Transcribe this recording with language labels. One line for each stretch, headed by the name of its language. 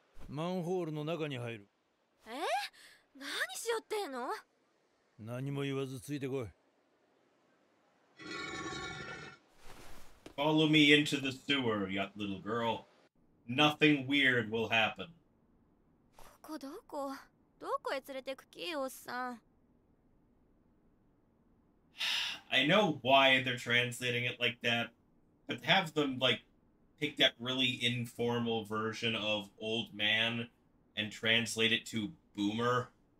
Japanese: マンホールの中に入る。何しよってんの？何も言わずついてこい。
English: Follow me into the sewer, young little girl. Nothing weird will happen.
Japanese: ここどこ？どこへ連れてく気、おっさん。
English: I know why they're translating it like that, but have them like pick that really informal version of old man and translate it to boomer.